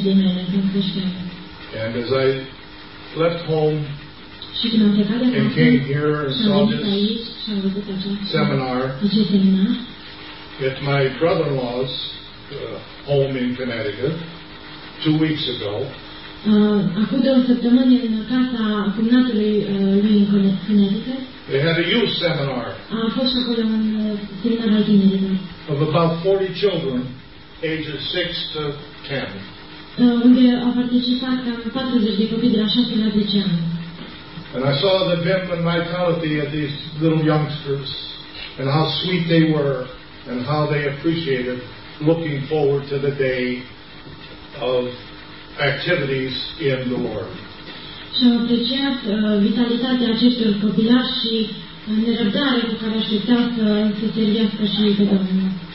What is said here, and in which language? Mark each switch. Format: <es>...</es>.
<en>And as I left home and came here and saw this seminar at my brother-in-law's home in Connecticut 2 weeks ago.</en> <ro>Acum două săptămâni în casa cumnatului lui în Connecticut.</ro> <en>They had a youth seminar.</en> <ro>A fost acolo un seminar al tinerilor.</ro> <en>Of about 40 children, ages 6 to 10.</en> <ro>Unde au participat 40 de copii de la 6 la 10 ani.</ro> <en>And I saw the vim and vitality of these little youngsters and how sweet they were and how they appreciated looking forward to the day of activities in the Lord.</en> <ro>Și am apreciat vitalitatea acestor copilași și nerăbdare cu care așteptau să se servească și ei pe Domnul.</ro>